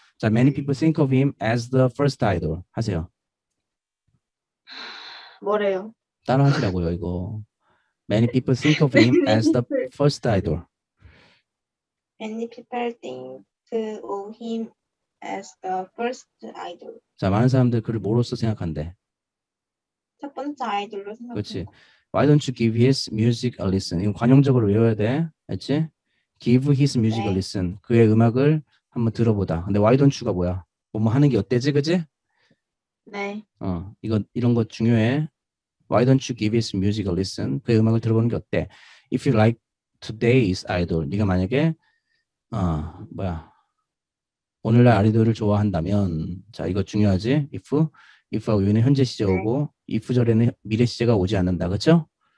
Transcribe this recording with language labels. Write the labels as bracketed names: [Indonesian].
[Korean] 자, [English] many people think of him as the first idol. [Korean] 하세요. 뭐래요? 따라 하시라고요, 이거. [English] Many people think of him as the first idol. Many people think of him as the first idol. [Korean] 자, 많은 사람들 그를 뭐로서 생각한대? 첫 번째 아이돌로 생각한대. 그렇지. [English] Why don't you give his music a listen? [Korean] 이건 관용적으로 외워야 돼. 알지? [English] Give his music [Korean] 네. [English] a listen. [Korean] 그의 음악을 한번 들어보다. 근데 [English] why don't you [Korean] 가 뭐야? 뭐 하는 게 어때지, 그지? 네. 이런 거 중요해. [English] Why don't you give his music a listen? [Korean] 그의 음악을 들어보는 게 어때? [English] If you like today's idol, [Korean] 네가 만약에 뭐야? 오늘날 아이돌을 좋아한다면, 자 이거 중요하지. If 여기는 현재 시제고, 네. if 절에는 미래 시제가 오지 않는다, 그렇죠?